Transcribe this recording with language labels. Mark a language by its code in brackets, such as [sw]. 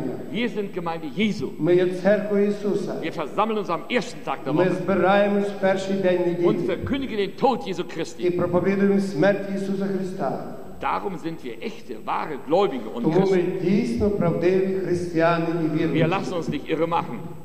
[de] Wir sind Gemeinde Jesu. Wir versammeln uns am ersten Tag der Woche und verkündigen den Tod Jesu Christi. [ru] И проповедуем смерть Иисуса Христа. [de] Darum sind wir echte, wahre Gläubige und Christen. Wir lassen uns nicht irre machen.